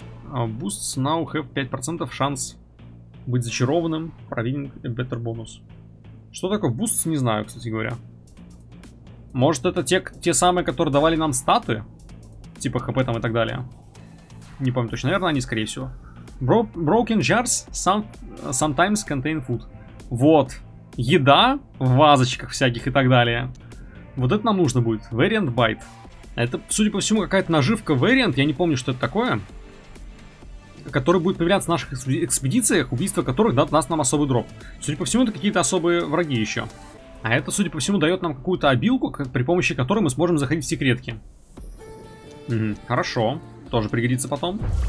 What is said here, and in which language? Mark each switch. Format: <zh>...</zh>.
<en>Boosts now have 5%</en> <ru>шанс быть зачарованным.</ru> <en>Providing a better bonus.</en> <ru>Что такое boosts, не знаю, кстати говоря. Может, это те самые, которые давали нам статы? Типа хп там и так далее. Не помню точно, наверное, они, скорее всего.</ru> <en>Broken jars sometimes contain food.</en> <ru>Вот. Еда в вазочках всяких и так далее. Вот это нам нужно будет.</ru> <en>Variant bite.</en> <ru>Это, судя по всему, какая-то наживка variant. Я не помню, что это такое. Которая будет появляться в наших экспедициях, убийство которых даст нам особый дроп. Судя по всему, это какие-то особые враги еще. А это, судя по всему, дает нам какую-то обилку, при помощи которой мы сможем заходить в секретки. Хорошо. Тоже пригодится потом.</ru>